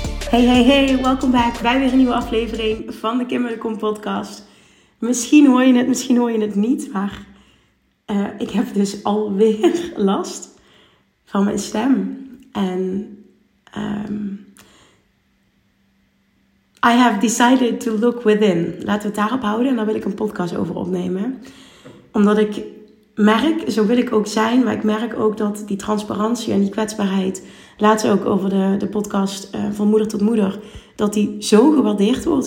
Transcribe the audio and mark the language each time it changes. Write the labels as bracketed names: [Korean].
[Dutch] Hey, hey, hey. Welkom back bij weer een nieuwe aflevering van de Kim Munnekom podcast. Misschien hoor je het, misschien hoor je het niet, maar ik heb dus alweer last van mijn stem. [English] En I have decided to look within. [Dutch] Laten we het daarop houden en daar wil ik een podcast over opnemen. Omdat ik merk, zo wil ik ook zijn, maar ik merk ook dat die transparantie en die kwetsbaarheid, laatst ook over de podcast van moeder tot moeder, dat die zo gewaardeerd wordt.